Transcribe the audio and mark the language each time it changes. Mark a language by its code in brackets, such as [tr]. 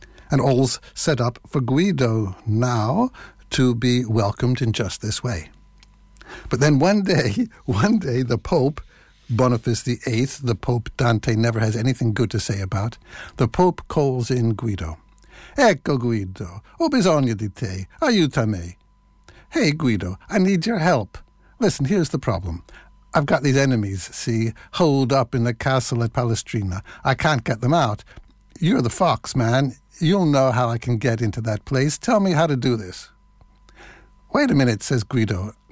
[en] And all's set up for Guido now to be welcomed in just this way. But then one day, the Pope, Boniface VIII, the Pope Dante never has anything good to say about, the Pope calls in Guido. [it] Ecco Guido, ho bisogno di te, aiutami. [en] Hey Guido, I need your help. Listen, here's the problem. I've got these enemies, see, holed up in the castle at Palestrina. I can't get them out. You're the fox, man. You'll know how I can get into that place. Tell me how to do this. Wait a minute, says Guido.